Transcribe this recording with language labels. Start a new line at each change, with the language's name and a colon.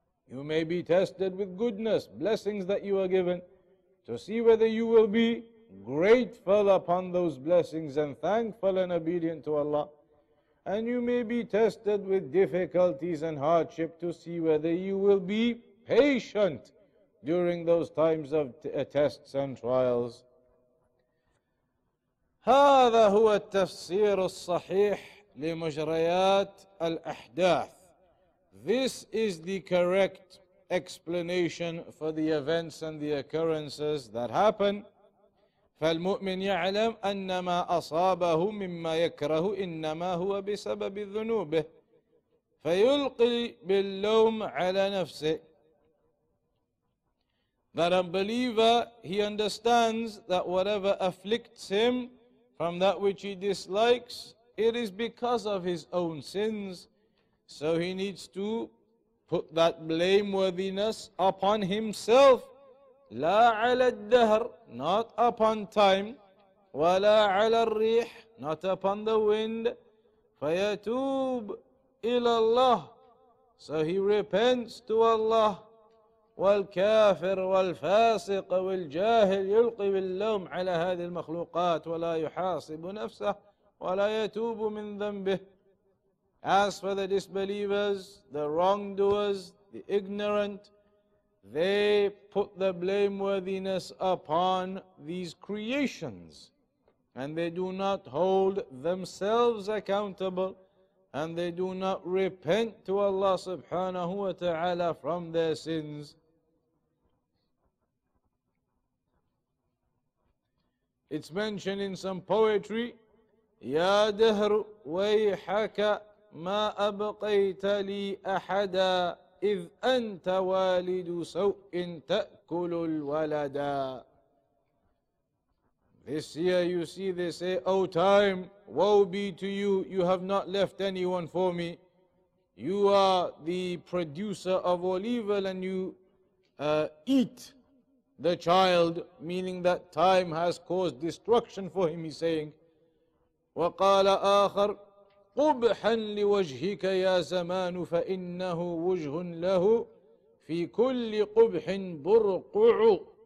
English: You may be tested with goodness, blessings that you are given, to see whether you will be grateful upon those blessings and thankful and obedient to Allah. And you may be tested with difficulties and hardship to see whether you will be patient during those times of tests and trials.
Arabic: هذا هو التفسير الصحيح لمجريات الأحداث.
English: This is the correct explanation for the events and the occurrences that happen.
Arabic: فالمؤمن يعلم أن ما أصابه مما يكره إنما هو بسبب ذنوبه فيلقي باللوم على نفسه.
English: That unbeliever, he understands that whatever afflicts him from that which he dislikes, it is because of his own sins. So he needs to put that blameworthiness upon himself.
Arabic: لا على الدهر,
English: not upon time.
Arabic: ولا على الريح,
English: not upon the wind.
Arabic: فيتوب إلى الله,
English: so he repents to Allah.
Arabic: والكافر والفاسق والجاهل يلقي باللوم على هذه المخلوقات ولا يحاسب نفسه ولا يتوب من ذنبه.
English: As for the disbelievers, the wrongdoers, the ignorant, they put the blameworthiness upon these creations, and they do not hold themselves accountable, and they do not repent to Allah subhanahu wa ta'ala from their sins. It's mentioned in some poetry,
Arabic: Ya dahru wayhaka ma abqayta li ahada إذ أنت والد سوء تأكل الولدا.
English: This year you see they say, O time, woe be to you, you have not left anyone for me. You are the producer of all evil and you eat the child, meaning that time has caused destruction for him, he's saying.
Arabic: وقال آخر قبحا لوجهك يا زمان فإنه وجه له في كل قبح برقع.